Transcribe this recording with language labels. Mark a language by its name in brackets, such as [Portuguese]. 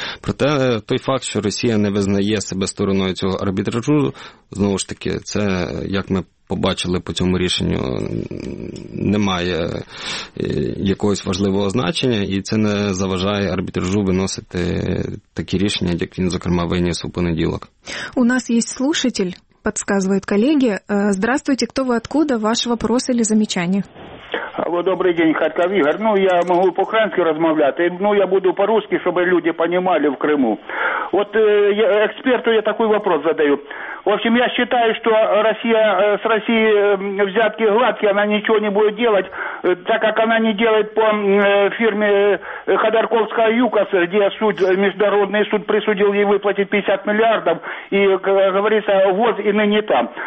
[Ukrainian] Проте той факт, що Росія не визнає себе стороною цього арбітражу, знову ж таки, це, як ми побачили по цьому рішенню, немає якогось важливого значення, і це не заважає арбітражу виносити такі рішення, як він, зокрема, виніс у понеділок. У нас є слушатель, підказує колеги. [Russian] Здравствуйте, [Ukrainian] хто ви, [Russian] откуда, ваш вопрос или замечание? [Ukrainian] Алло, добрий день, Харків, Ігор. Ну, я можу по-кримськи розмовляти. [Russian] Ну, я буду по-русски, щоб люди понимали в Криму. От експерту я такий вопрос задаю. В общем, я считаю, что Россия с Россией взятки гладкие, она ничего не будет делать, так как она не делает по фирме Ходорковского ЮКОС, где суд, международный суд присудил ей выплатить 50 миллиардов, и, как говорится, ВОЗ и ныне там.